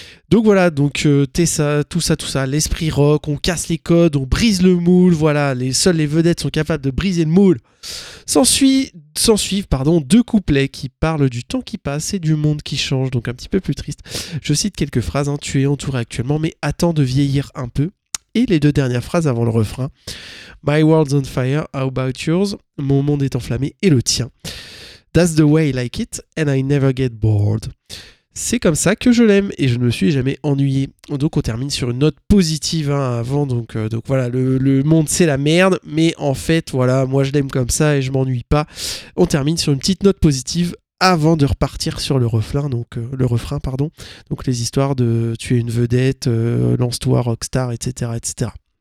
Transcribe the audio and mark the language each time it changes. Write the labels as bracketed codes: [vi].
[fr] Donc voilà, donc tout ça, l'esprit rock, on casse les codes, on brise le moule, voilà, seules les vedettes sont capables de briser le moule. S'en suivent, deux couplets qui parlent du temps qui passe et du monde qui change, donc un petit peu plus triste. Je cite quelques phrases, hein, tu es entouré actuellement, mais attends de vieillir un peu. Et les deux dernières phrases avant le refrain. [en] My world's on fire, how about yours? [fr] Mon monde est enflammé et le tien. [en] That's the way I like it, and I never get bored. [fr] C'est comme ça que je l'aime et je ne me suis jamais ennuyé. Donc on termine sur une note positive hein, avant. Donc voilà, le monde c'est la merde, mais en fait voilà, moi je l'aime comme ça et je m'ennuie pas. On termine sur une petite note positive avant de repartir sur le refrain. Donc les histoires de tu es une vedette, lance-toi rockstar, etc., etc.